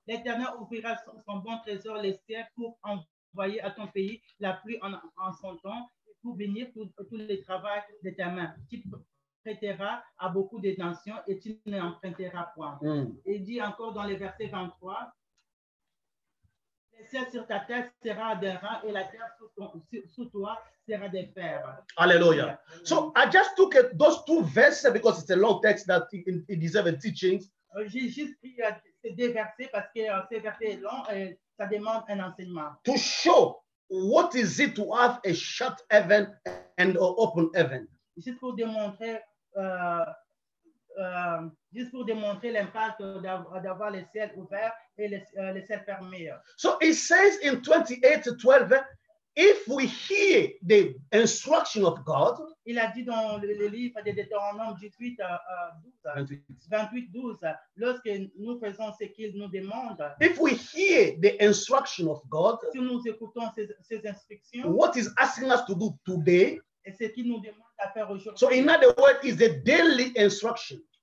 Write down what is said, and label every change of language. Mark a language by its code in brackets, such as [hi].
[fr] L'Éternel ouvrira son bon trésor, les cieux, pour envoyer à ton pays la pluie en son temps, pour venir tout le travail de ta main. Tu prêteras à beaucoup de nations et tu n'emprunteras point. Mm. Il dit encore dans le verset 23. Le ciel sur ta tête sera des reins et la terre sous toi sera des fers. Alléluia. [en] So I just took those two verses because it's a long text that it deserves a teaching. [fr] J'ai juste pris ces deux versets parce que ces versets sont longs et ça demande un enseignement. [en] To show what is it to have a shut heaven and an open heaven. [fr] Juste pour démontrer l'impact d'avoir les ciels ouverts et les ciels fermés. [en] So it says in 28:12, if we hear the instruction of God, [fr] il a dit dans le livre de Deutéronome 28:12, lorsque nous faisons ce qu'il nous demande, [en] if we hear the instruction of God, [fr] si nous écoutons ces instructions, [en] what is asking us to do today, [fr] et ce qu'il nous demande à faire aujourd'hui. [en] So in other words, it's a daily instruction.